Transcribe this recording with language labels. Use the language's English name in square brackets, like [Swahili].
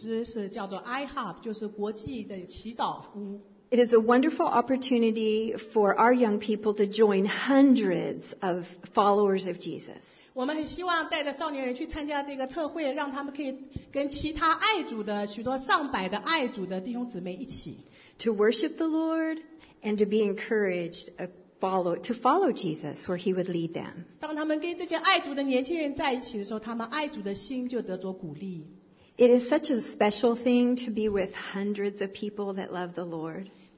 [Chinese] 这个特会的负责的组织是叫做IHOP, 就是国际的祈祷屋。 [English] It is a wonderful opportunity for our young people to join hundreds of followers of Jesus. [Chinese] 我们很希望带着少年人去参加这个特会, 让他们可以跟其他爱主的许多上百的爱主的弟兄姊妹一起, [English] to worship the Lord and to be encouraged to follow Jesus where he would lead them. [Chinese] 当他们跟这些爱主的年轻人在一起的时候，他们爱主的心就得着鼓励。 [English] It is such a special thing to be with hundreds of people that love the Lord.